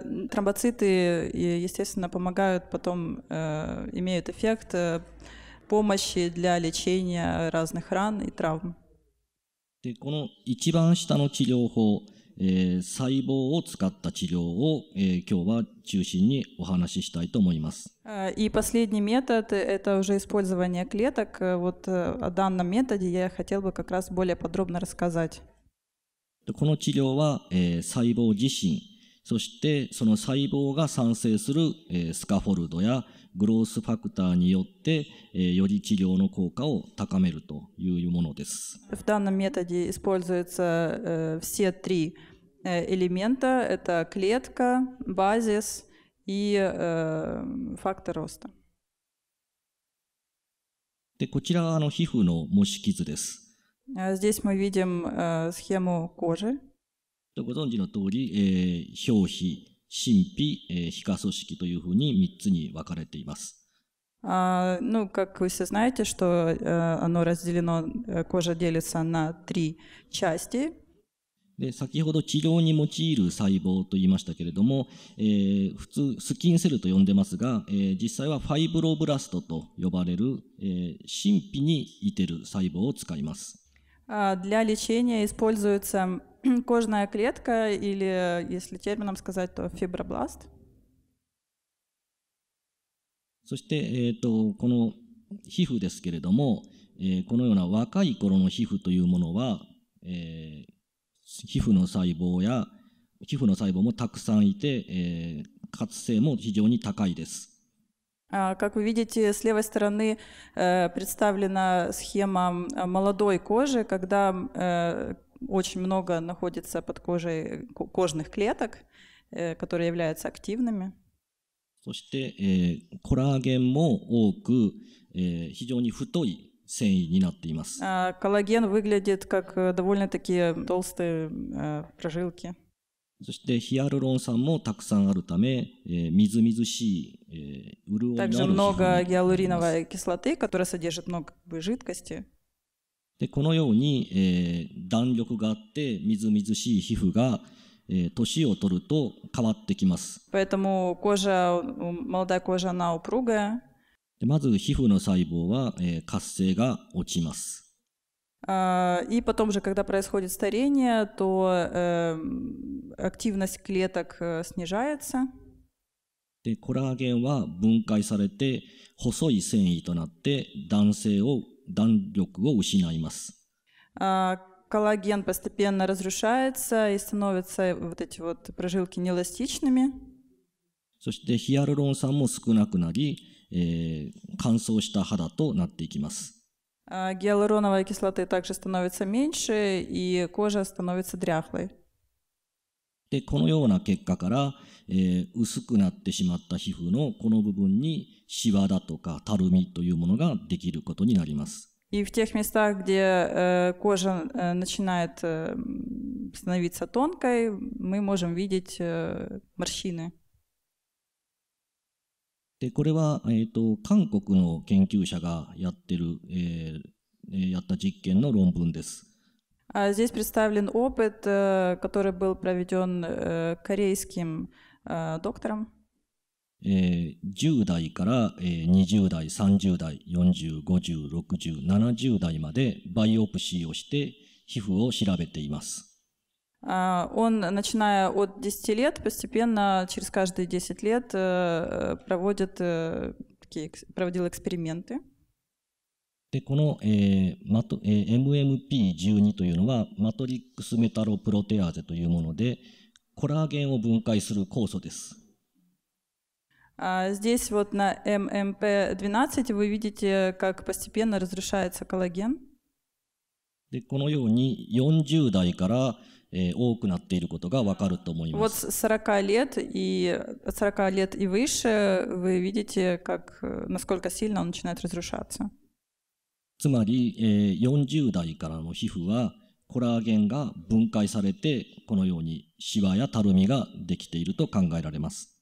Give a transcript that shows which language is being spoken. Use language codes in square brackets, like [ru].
[ru] тромбоциты, естественно, помогают потом, имеют эффект помощи для лечения разных ран и травм. [ja] で、この一番下の治療法、細胞を使った治療を、今日は中心にお話ししたいと思います。 [ru] И последний метод это уже использование клеток. Вот о данном методе я хотел бы как раз более подробно рассказать. [ja] この治療は、細胞自身、そしてその細胞が産生する、スカフォルドやグロースファクターによって、より治療の効果を高めるというものです。 [ru] В данном методе используются все три элемента. Это клетка, базис и фактор роста. [ja] で、こちらは皮膚の模式図です。 [ru] Здесь мы видим схему кожи. [ja] ご存知の通り、表皮、真皮、皮下組織というふうに3つに分かれています。 [ru] Ну, как вы все знаете, что оно разделено, кожа делится на три части. [ja] で、先ほど治療に用いる細胞と言いましたけれども、普通スキンセルと呼んでますが、実際はファイブロブラストと呼ばれる、真皮にいてる細胞を使います。 [ru] Для лечения используется кожная клетка или, если термином сказать, то фибробласт. [ja] そして、この皮膚ですけれども、このような若い頃の皮膚というものは、皮膚の細胞や皮膚の細胞もたくさんいて、活性も非常に高いです。 [ru] Как вы видите, с левой стороны представлена схема молодой кожи, когда очень много находится под кожей кожных клеток, которые являются активными. [ja] そして、コラーゲンも多く、非常に太い繊維になっています。 [ru] Коллаген выглядит как довольно-таки толстые прожилки. [ja] そしてヒアルロン酸もたくさんあるため、みずみずしい、潤いのある皮膚になっています。 [ru] Также много гиалуриновой кислоты, которая содержит много жидкости. [ja] でこのように、弾力があってみずみずしい皮膚が年を取ると変わってきます。 [ru] Поэтому кожа, молодая кожа, она упругая. [ja] でまず皮膚の細胞は、活性が落ちます。 [ru] И потом же, когда происходит старение, то активность клеток снижается. [ja] でコラーゲンは分解されて細い繊維となって弾力を失います。 [ru] Коллаген постепенно разрушается и становятся вот эти вот прожилки неэластичными. [ja] そしてヒアルロン酸も少なくなり、乾燥した肌となっていきます。 [ru] Гиалуроновой кислоты также становится меньше и кожа становится дряхлой. [ja] でこのような結果から、薄くなってしまった皮膚のこの部分にシワだとかたるみというものができることになります。 [ru] И в тех местах, где кожа начинает становиться тонкой, мы можем видеть морщины. [ja] で、これは、韓国の研究者がやってる、やった実験の論文です。 [ru] Здесь представлен опыт, который был проведен корейским доктором. [ja] 10代から20代、30代、40、50、60、70代までバイオプシーをして皮膚を調べています。 [ru] Он, начиная от 10 лет, постепенно, через каждые 10 лет, проводил эксперименты. [ja] で、この、MMP12 というのはマトリックスメタロプロテアーゼというもので、コラーゲンを分解する酵素です。 [ru] Здесь вот на MMP12 вы видите, как постепенно разрушается коллаген. [ja] で、このように40代から、多くなっていることが分かると思います。 [ru] Вот 40 лет и выше вы видите, как, насколько сильно он начинает разрушаться. [ja] つまり、40代からの皮膚はコラーゲンが分解されてこのようにシワやたるみができていると考えられます。